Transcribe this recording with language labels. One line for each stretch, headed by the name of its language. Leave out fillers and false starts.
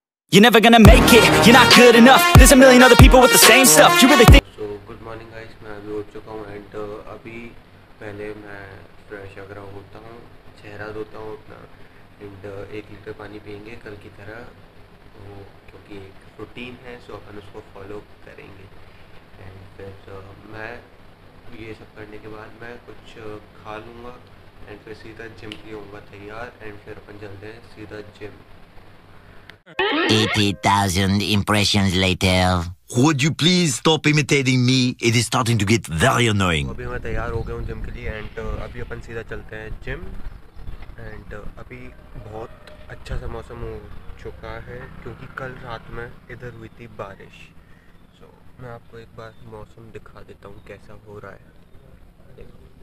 English: You're never gonna make it, you're not good enough. There's a million other people with the same stuff. You really think. So, good morning, guys.
Hindi: मैं अभी उठ चुका हूँ and अभी पहले मैं fresh वगैरह होता हूँ, चेहरा धोता हूँ अपना एंड एक लीटर पानी पियेंगे कल की तरह, तो क्योंकि एक रूटीन है सो अपन उसको फॉलो करेंगे एंड फिर मैं ये सब करने के बाद मैं कुछ खा लूँगा एंड फिर सीधा जिम भी होऊँगा तैयार एंड फिर अपन चलते हैं सीधा gym.
English: 80,000 impressions later. Would you please stop imitating me? It is starting to get very annoying.
Hindi: अभी मैं तैयार हो गया हूँ जिम के लिए एंड अभी अपन सीधा चलते हैं जिम एंड अभी बहुत अच्छा सा मौसम हो चुका है क्योंकि कल रात में इधर हुई थी बारिश. सो मैं आपको एक बार मौसम दिखा देता हूँ कैसा हो रहा है.